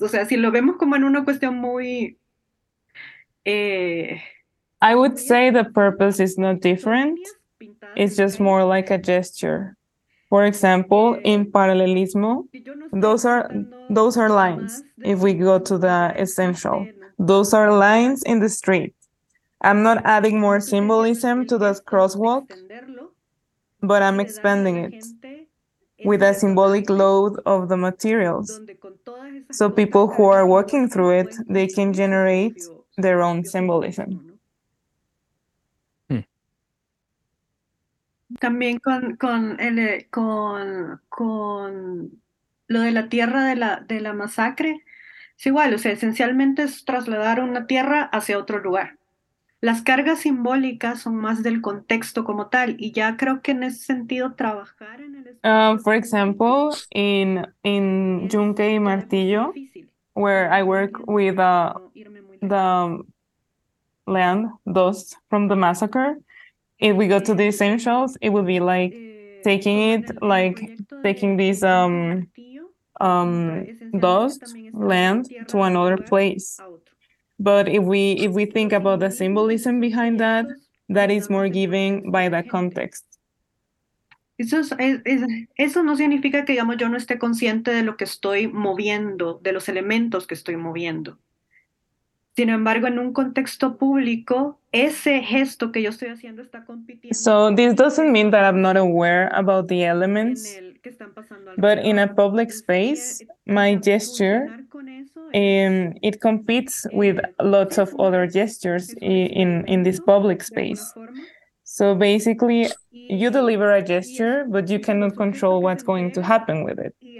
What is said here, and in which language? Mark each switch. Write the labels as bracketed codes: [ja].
[es] O sea, si lo vemos como en una cuestión muy... [en] I would say the purpose is not different. It's just more like a gesture. For example, in paralelismo, those are lines, if we go to the essential. Those are lines in the street. I'm not adding more symbolism to the crosswalk, but I'm expanding it with a symbolic load of the materials. So people who are walking through it, they can generate their own symbolism. [es] También con lo de la tierra de la masacre, es igual, o sea, esencialmente es trasladar una tierra hacia otro lugar. Las cargas simbólicas son más del contexto como tal, y ya creo que en ese sentido trabajar en el... [en] For example, in Yunque y Martillo, where I work with the land, dust from the massacre, if we go to the essentials, it would be like taking this dust, land, to another place. But if we think about the symbolism behind that, that is more giving by the context. [es] Eso no significa que, digamos, yo no esté consciente de lo que estoy moviendo, de los elementos que estoy moviendo. Sin embargo, en un contexto público, ese gesto que yo estoy haciendo está compitiendo. [en] So this doesn't mean that I'm not aware about the elements, but in a public space, my gesture, it competes with lots of other gestures in this public space. So basically, you deliver a gesture, but you cannot control what's going to happen with it.